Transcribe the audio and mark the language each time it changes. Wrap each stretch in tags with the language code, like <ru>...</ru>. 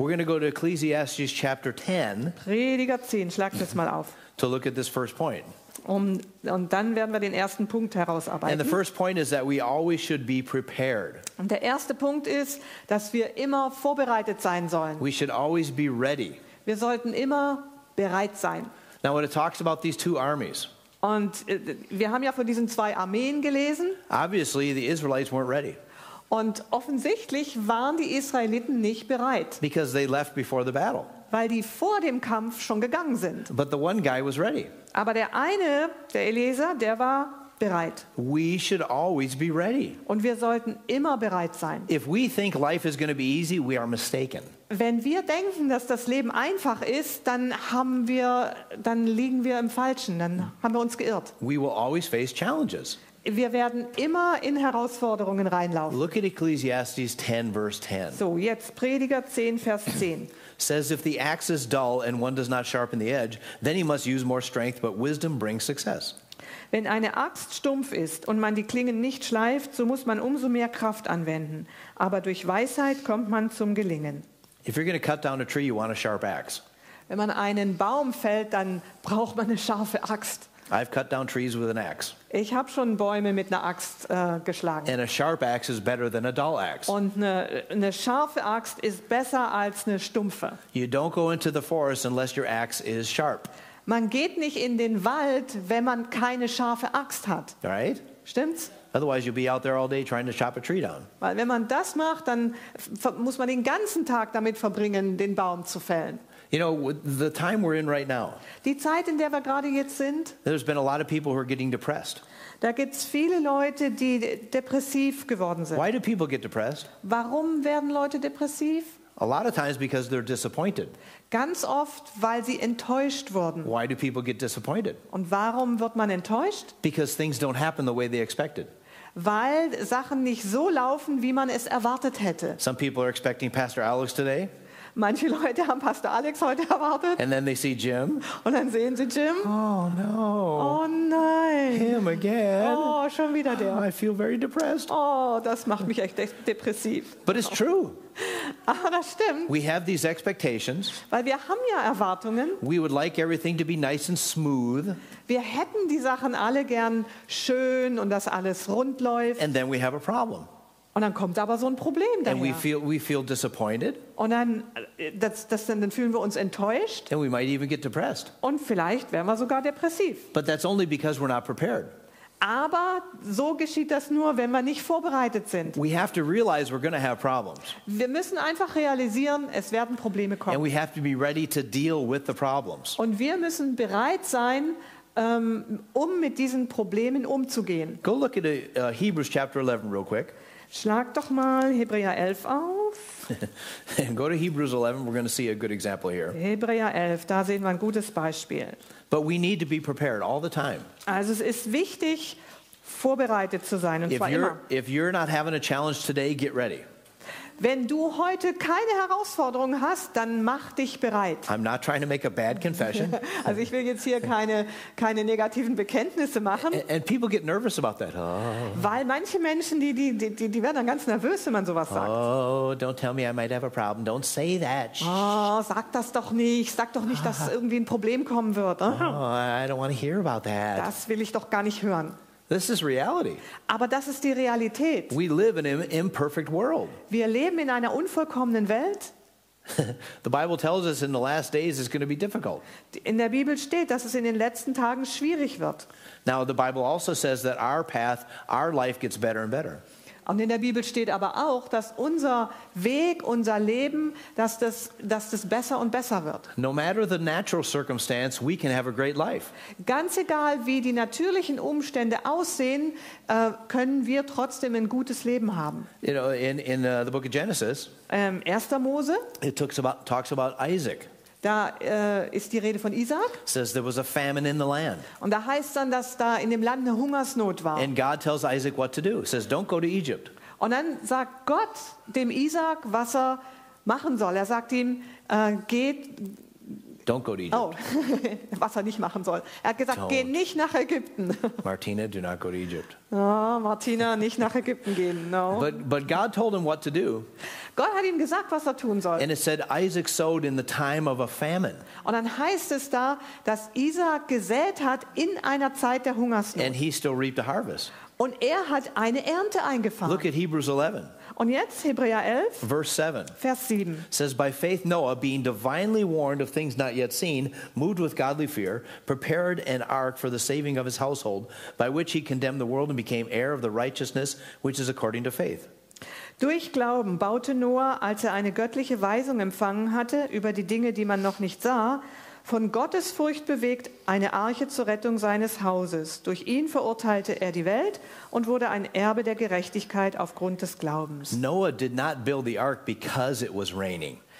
<en>We're going to go to Ecclesiastes chapter 10.</en> <de>Prediger 10, schlag das mal auf.</de> <en>To look at this first point.</en> <de>Und dann werden wir den ersten Punkt herausarbeiten.</de> <en>And the first point is that we always should be prepared.</en> <de>Und der erste Punkt ist, dass wir immer vorbereitet sein sollen.</de> <en>We should always be ready.</en> <de>Wir sollten immer bereit sein.</de> <en>Now when it talks about these two armies.</en> <de>Und wir haben ja von diesen zwei Armeen gelesen.</de> <en>Obviously the Israelites weren't ready.</en> <de>Und offensichtlich waren die Israeliten nicht bereit.</de> <en>Because they left before the battle.</en> <de>Weil die vor dem Kampf schon gegangen sind.</de> <en>But the one guy was ready.</en> <de>Aber der eine, der Eliezer, der war bereit.</de> <en>We should always be ready.</en> <de>Und wir sollten immer bereit sein.</de> <en>If we think life is going to be easy, we are mistaken.</en> <de>Wenn wir denken, dass das Leben einfach ist, dann liegen wir im Falschen, dann haben wir uns geirrt.</de> <en>We will always face challenges.</en> <de>Wir werden immer in Herausforderungen reinlaufen.</de> <en>Look at Ecclesiastes 10, verse 10.</en> <de>So, jetzt Prediger 10, Vers 10.</de> <en>Says if the axe is dull and one does not sharpen the edge, then he must use more strength, but wisdom brings success.</en> <de>Wenn eine Axt stumpf ist und man die Klingen nicht schleift, so muss man umso mehr Kraft anwenden. Aber durch Weisheit kommt man zum Gelingen.</de> <en>If you're going to cut down a tree, you want a sharp axe.</en> <de>Wenn man einen Baum fällt, dann braucht man eine scharfe Axt.</de> <en>I've cut down trees with an axe.</en> <de>Ich habe schon Bäume mit einer Axt geschlagen.</de> <en>And a sharp axe is better than a dull axe.</en> <de>Und eine scharfe Axt ist besser als eine stumpfe.</de> <en>You don't go into the forest unless your axe is sharp.</en> <de>Man geht nicht in den Wald, wenn man keine scharfe Axt hat.</de> <en>Right?</en> <de>Stimmt's?</de> <en>Otherwise you'll be out there all day trying to chop a tree down.</en> <de>Weil wenn man das macht, dann muss man den ganzen Tag damit verbringen, den Baum zu fällen.</de> <en>You know, the time we're in right now.</en> <de>Die Zeit, in der wir gerade jetzt sind.</de> <en>There's been a lot of people who are getting depressed.</en> <de>Da gibt's viele Leute, die depressiv geworden sind.</de> <en>Why do people get depressed?</en> <de>Warum werden Leute depressiv?</de> <en>A lot of times because they're disappointed.</en> <de>Ganz oft, weil sie enttäuscht wurden.</de> <en>Why do people get disappointed?</en> <de>Und warum wird man enttäuscht?</de> <en>Because things don't happen the way they expected.</en> <de>Weil Sachen nicht so laufen, wie man es erwartet hätte.</de> <en>Some people are expecting Pastor Alex today.</en> <de>Manche Leute haben Pastor Alex heute erwartet.</de> <en>And then they see Jim.</en> <de>Und dann sehen sie Jim.</de> <en>Oh no.</en> <de>Oh nein.</de> <en>Him again.</en> <de>Oh, schon wieder der.</de> <en>I feel very depressed.</en> <de>Oh, das macht mich echt depressiv.</de> <en>But it's true.</en> <de>Aber das stimmt.</de> <en>We have these expectations.</en> <de>Weil wir haben ja Erwartungen.</de> <en>We would like everything to be nice and smooth.</en> <de>Wir hätten die Sachen alle gern schön und dass alles rund läuft.</de> <en>And then we have a problem.</en> <de>Und dann kommt aber so ein Problem daher.</de> <en>And we feel disappointed.</en> <de>Und dann fühlen wir uns enttäuscht.</de> <en>And we might even get depressed.</en> <de>Und vielleicht werden wir sogar depressiv.</de> <en>But that's only because we're not prepared.</en> <de>Aber so geschieht das nur, wenn wir nicht vorbereitet sind.</de> <en>We have to realize we're going to have problems.</en> <de>Wir müssen einfach realisieren, es werden Probleme kommen.</de> <en>And we have to be ready to deal with the problems.</en> <de>Und wir müssen bereit sein, um mit diesen Problemen umzugehen.</de> <en>Go look at Hebrews chapter 11 real quick.</en> <de>Schlag doch mal Hebräer 11 auf.</de> <en>Go to Hebrews 11, we're going to see a good example here.</en> <de>Hebräer 11, da sehen wir ein gutes Beispiel.</de> <en>But we need to be prepared all the time.</en> <de>Also es ist wichtig, vorbereitet zu sein, und</de> <en>if</en> <de>zwar</de> <en>you're,</en> <de>immer.</de> <en>If you're not having a challenge today, get ready.</en> <de>Wenn du heute keine Herausforderung hast, dann mach dich bereit.</de> <en>I'm not trying to make a bad confession.</en> <de>Also ich will jetzt hier keine negativen Bekenntnisse machen.</de> <en>And people get nervous about that. Oh.</en> <de>Weil manche Menschen, die werden dann ganz nervös, wenn man sowas sagt.</de> <en>Oh, don't tell me I might have a problem. Don't say that.</en> <de>Oh, sag das doch nicht. Sag doch nicht, dass irgendwie ein Problem kommen wird.</de> <en>Oh, I don't want to hear about that.</en> <de>Das will ich doch gar nicht hören.</de> <en>This is reality.</en> <de>Aber das ist die Realität.</de> <en>We live in an imperfect world.</en> <de>Wir leben in einer unvollkommenen Welt.</de> <en>The Bible tells us in the last days it's going to be difficult.</en> <de>In der Bibel steht, dass es in den letzten Tagen schwierig wird.</de> <en>Now the Bible also says that our path, our life gets better and better.</en> <de>Und in der Bibel steht aber auch, dass unser Weg, unser Leben, dass das besser und besser wird.</de> <en>No matter the natural circumstance, we can have a great life.</en> <de>Ganz egal, wie die natürlichen Umstände aussehen, können wir trotzdem ein gutes Leben haben.</de> <en>You know, in the book of Genesis,</en> <de>1. Mose,</de> <en>it talks about Isaac.</en> <de>Da ist die Rede von Isaac.</de> <en>Says there was a famine in the land.</en> <de>Und da heißt dann, dass da in dem Land eine Hungersnot war.</de> <en>And God tells Isaac what to do. Says don't go to Egypt.</en> <de>Und dann sagt Gott dem Isaac, was er machen soll. Er sagt ihm, geht.</de> <en>Don't go to Egypt.</en> <de>Oh, was er nicht machen soll. Er hat gesagt, geh nicht nach Ägypten.</de> <en>Martina, do not go to Egypt.</en> <de>Oh, Martina, nicht nach Ägypten gehen.</de> <en>No. But God told him what to do.</en> <de>Gott hat ihm gesagt, was er tun soll.</de> <en>And it said Isaac sowed in the time of a famine.</en> <de>Und dann heißt es da, dass Isaac gesät hat in einer Zeit der Hungersnot.</de> <en>And he still reaped a harvest.</en> <de>Und er hat eine Ernte eingefahren.</de> <en>Look at Hebrews 11.</en> <de>Und jetzt Hebräer 11, Vers 7.</de> <en>Says, by faith Noah, being divinely warned of things not yet seen, moved with godly fear, prepared an ark for the saving of his household, by which he condemned the world and became heir of the righteousness which is according to faith.</en> <de>Durch Glauben baute Noah, als er eine göttliche Weisung empfangen hatte über die Dinge, die man noch nicht sah, von Gottes Furcht bewegt, eine Arche zur Rettung seines Hauses. Durch ihn verurteilte er die Welt und wurde ein Erbe der Gerechtigkeit aufgrund des Glaubens.</de> <en>Noah did not build the ark because it was raining.</en>